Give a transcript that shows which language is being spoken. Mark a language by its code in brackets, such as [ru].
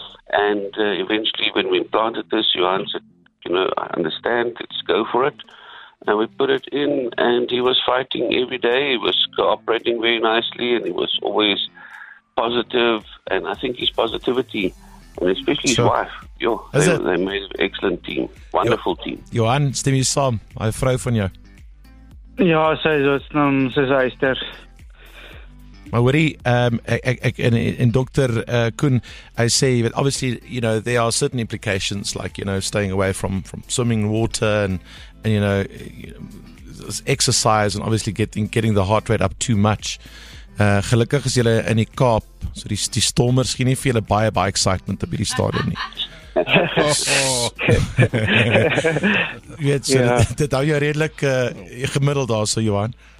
[en] And eventually when we implanted this, Johan said, you know, I understand, let's go for it. And we put it in and he was fighting every day. He was cooperating very nicely and he was always positive. And I think his positivity, and especially his wife, they made an excellent team, wonderful team. [af] Johan, stem jy saam, my vrou van jou. Ja, sy is ster. Maar hoorie, en dokter Koen, [en] I say, but obviously, you know, there are certain implications, like, you know, staying away from swimming water and you know, exercise and obviously getting the heart rate up too much. [af] Gelukkig is julle in die Kaap, so die storm misschien nie vir julle baie excitement op die stadion nie. Jy weet, dit hou jou redelik gemiddeld daar, so Johan.